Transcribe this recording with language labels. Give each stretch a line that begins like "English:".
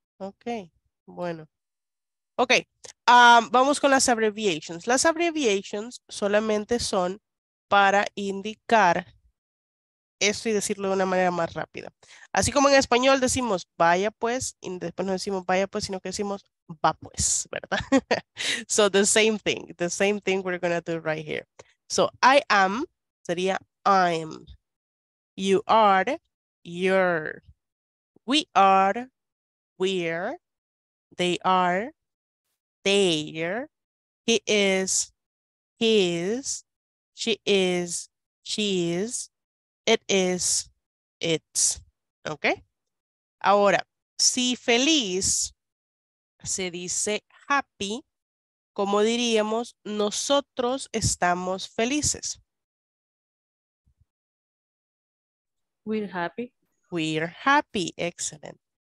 Spanish: Ok, bueno. Ok, vamos con las abbreviations. Las abbreviations solamente son para indicar esto y decirlo de una manera más rápida. Así como en español decimos vaya pues, y después no decimos vaya pues, sino que decimos va pues, ¿verdad?
English: So the same thing we're going to do right here. So I am sería I'm, you are, you're, we are, we're, they are, they're, he is, he's, she is, she's, it is, it's. ¿Ok?
Spanish: Ahora, si feliz se dice happy, ¿cómo diríamos nosotros estamos felices?
English: We're happy. We're happy. Excellent.